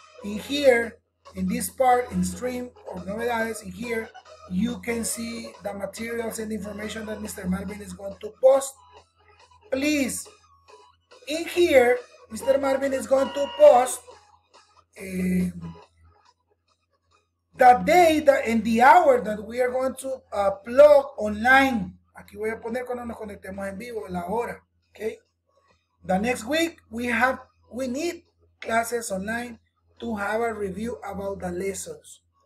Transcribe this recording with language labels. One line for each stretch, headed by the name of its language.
English: In here, in this part, in stream or novedades, in here, you can see the materials and information that Mr. Marvin is going to post. Please, in here, Mr. Marvin is going to post the day and the hour that we are going to plug online.
Spanish: Aquí voy a poner cuando nos conectemos en vivo, la hora, okay?
English: The next week, we need classes online to have a review about the lessons.